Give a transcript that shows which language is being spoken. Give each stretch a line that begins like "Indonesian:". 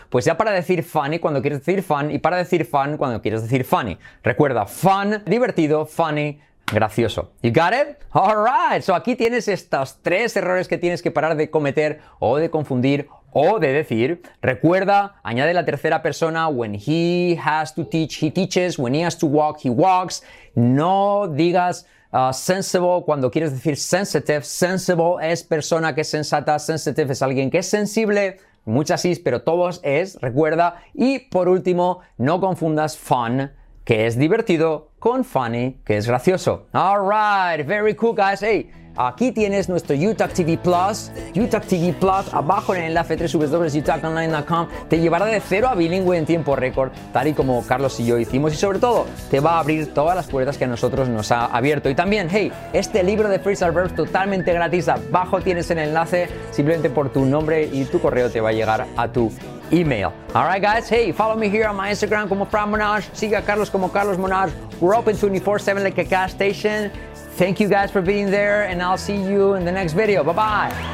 Spanish: Pues ya para decir funny cuando quieres decir fun, y para decir fun cuando quieres decir funny. Recuerda, fun, divertido, funny, gracioso.
English: You got it? Alright.
Spanish: So aquí tienes estos tres errores que tienes que parar de cometer o de confundir o de decir. Recuerda, añade la tercera persona.
English: When he has to teach, he teaches. When he has to walk, he walks.
Spanish: No digas sensible cuando quieres decir sensitive. Sensible es persona que es sensata. Sensitive es alguien que es sensible. Muchas is, pero todos es. Recuerda. Y por último, no confundas fun, que es divertido, con funny, que es gracioso.
English: All right, very cool, guys.
Spanish: Hey, aquí tienes nuestro UTalk TV Plus. UTalk TV Plus, abajo en el enlace www.utalkonline.com, te llevará de cero a bilingüe en tiempo récord, tal y como Carlos y yo hicimos. Y sobre todo, te va a abrir todas las puertas que a nosotros nos ha abierto. Y también, hey, este libro de Phrasal Verbs totalmente gratis, abajo tienes el enlace, simplemente por tu nombre y tu correo te va a llegar a tu email.
English: All right, guys. Hey, follow me here on my Instagram como Fran Monash.
Spanish: Sigue a Carlos como Carlos Monash.
English: We're open 24/7 like a gas station. Thank you guys for being there, and I'll see you in the next video. Bye-bye.